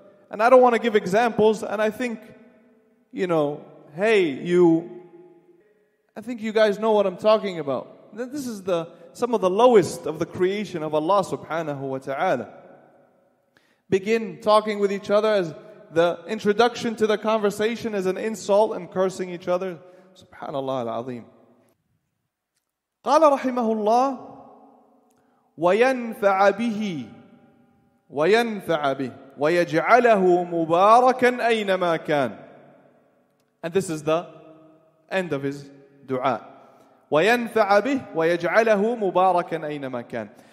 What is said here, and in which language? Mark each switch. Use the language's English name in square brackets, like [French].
[English] And I don't want to give examples, and I think, you know, hey, you, I think you guys know what I'm talking about. This is some of the lowest of the creation of Allah subhanahu wa ta'ala. Begin talking with each other as the introduction to the conversation is an insult and cursing each other. [Arabic] Subhanallah al-azim. قال رحمه الله وينفع به وينفع به ويجعله مباركا أينما كان. [English] And this is the end of his dua. [Arabic] وينفع به ويجعله مباركا أينما كان.